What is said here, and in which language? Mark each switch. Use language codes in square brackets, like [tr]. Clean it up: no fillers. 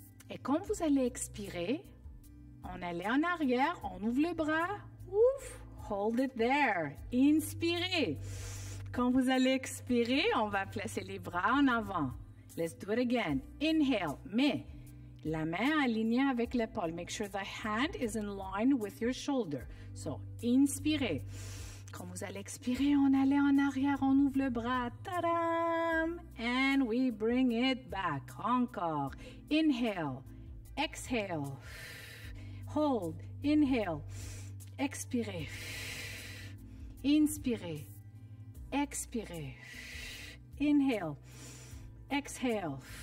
[fr] Et quand vous allez expirer, on allait en arrière, on ouvre le bras. Ouf! [en] Hold it there. [fr] Inspirez. Quand vous allez expirer, on va placer les bras en avant. [en] Let's do it again. Inhale. [fr] Mais la main alignée avec l'épaule. [en] Make sure the hand is in line with your shoulder. [fr] So, inspirez. Quand vous allez expirer, on allait en arrière, on ouvre le bras. [en] Ta-dam! And we bring it back. Encore. Inhale. Exhale. Hold, inhale, [fr] expirez, inspirez, expirez, [en] inhale, exhale.